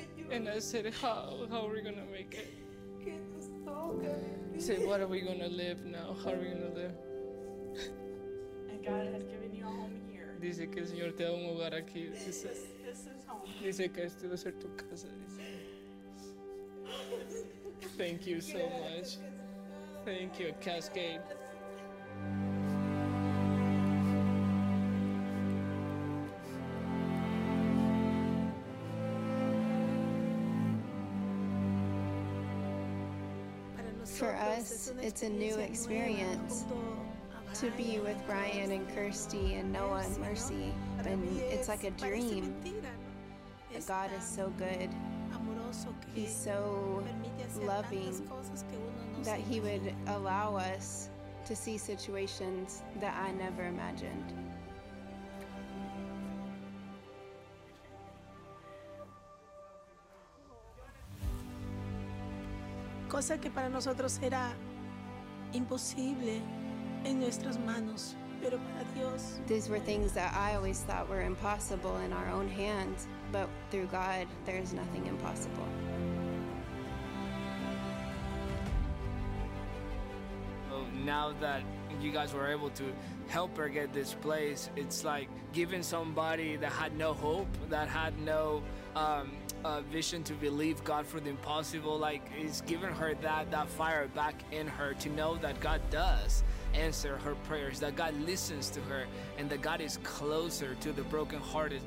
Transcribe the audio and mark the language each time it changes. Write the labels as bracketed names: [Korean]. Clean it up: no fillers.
[English] And I said, how are we going to make it? [Spanish] Que nos toca. [English] He said, what are we going to live now? How are we going to live? And God has given you a home here. [Spanish] Dice que el Señor te da un hogar aquí. Dice, [English] this is home. [Spanish] Dice que esto va a ser tu casa. Dice. [English] Thank you so much. Thank you, Cascade. For us, it's a new experience to be with Brian and Kirsty and Noah and Mercy. And it's like a dream. But God is so good. He's so loving that he would allow us to see situations that I never imagined. [Spanish] Cosa que para nosotros era imposible en nuestras manos, pero para Dios. [English] These were things that I always thought were impossible in our own hands, but through God, there is nothing impossible. Well, now that you guys were able to help her get this place, it's like giving somebody that had no hope, that had no vision to believe God for the impossible, like, he's given her that fire back in her to know that God does answer her prayers, that God listens to her, and that God is closer to the brokenhearted.